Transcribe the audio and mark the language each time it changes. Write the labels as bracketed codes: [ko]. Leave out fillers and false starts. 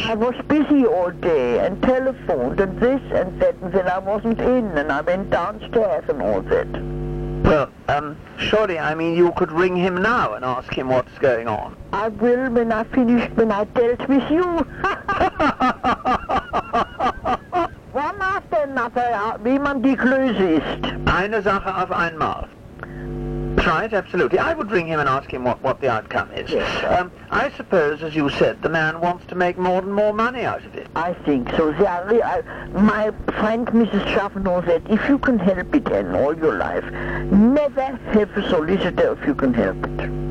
[en] I was busy all day and telephoned and this and that, and then I wasn't in and I went downstairs and all that. Well, surely, I mean, you could ring him now and ask him what's going on. I will when I finish, when I dealt with you. One after another, [de] wie man die Klöße ist. Eine Sache auf einmal. [en] Right, absolutely. I would ring him and ask him what the outcome is. Yes, I suppose, as you said, the man wants to make more and more money out of it. I think so. My friend Mrs. Chavanaugh said, if you can help it in all your life, never have a solicitor if you can help it.